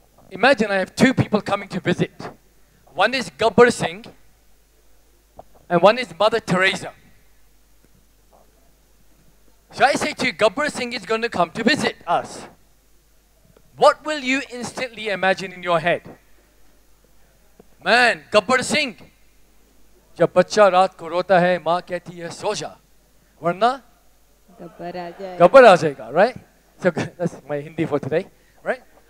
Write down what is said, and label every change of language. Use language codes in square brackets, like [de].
[en] Imagine I have two people coming to visit. One is Gabbar Singh and one is Mother Teresa. So I say to you, Gabbar Singh is going to come to visit us. What will you instantly imagine in your head? Man, Gabbar Singh. [hi] जब बच्चा रात को रोता है माँ कहती है सो जा वरना गब्बर आ जाएगा right? [en] So that's my Hindi for today, right?